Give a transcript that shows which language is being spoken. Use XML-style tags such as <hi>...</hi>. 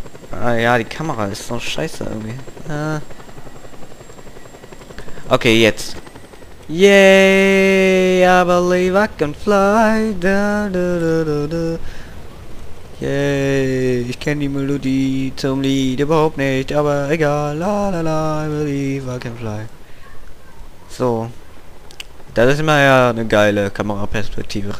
<de>Ah ja, die Kamera ist so scheiße irgendwie.</de> <en>Okay, jetzt. Yay, I believe I can fly.</en> <de>Da, da, da, da, da. Yay, ich kenne die Melodie zum Lied überhaupt nicht, aber egal.</de> <en>La la la, I believe I can fly.</en> <de>So. Das ist immer ja eine geile Kameraperspektive.</de>